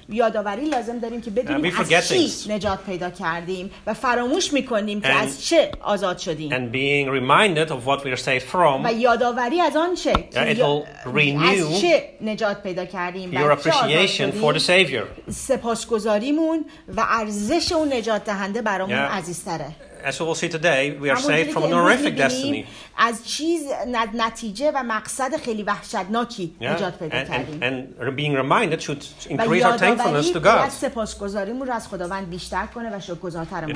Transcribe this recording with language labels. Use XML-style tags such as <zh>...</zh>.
<fa>یادآوری لازم داریم که بدونیم از چی نجات پیدا کردیم و فراموش می‌کنیم که از چه آزاد شدیم.</fa> <en>And being reminded of what we are saved from.</en> <fa>و یادآوری از آن چه از چه نجات پیدا کردیم.</fa> <en>Your appreciation for the Savior.</en> <fa>سپاسگزاریمون و ارزش اون نجات دهنده برامون عزیزتره.</fa> <en>As we will see today, we are saved from a horrific destiny.</en> <fa>از چیز نتیجه و مقصد خیلی وحشتناکی نجات پیدا کردیم.</fa> <en>And being reminded should increase our thankfulness to God.</en> <fa>و سپاسگزاریمون رو از خداوند بیشتر کنه و شکرگزارتر بشیم.</fa>